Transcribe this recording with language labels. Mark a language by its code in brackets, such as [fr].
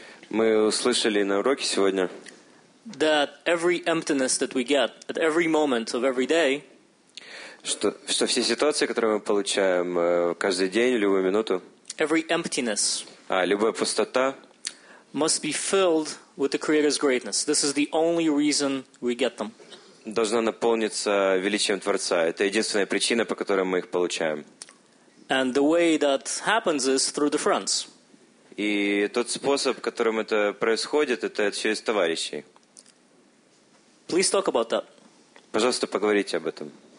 [ru] Мы услышали на уроке сегодня. [en] That every emptiness that we get at every moment of every day. [ru] Что все ситуации, которые мы получаем каждый день, любую минуту. [en] Every emptiness. [ru] А любая пустота. [en] Must be filled with the Creator's greatness. This is the only reason we get them. [ru] Должна наполниться величием Творца. Это единственная причина, по которой мы их получаем. [en] And the way that happens is through the friends. [ru] И тот способ, которым это происходит, это через товарищей. [en] Please talk about that. [ru] Пожалуйста, поговорите об этом.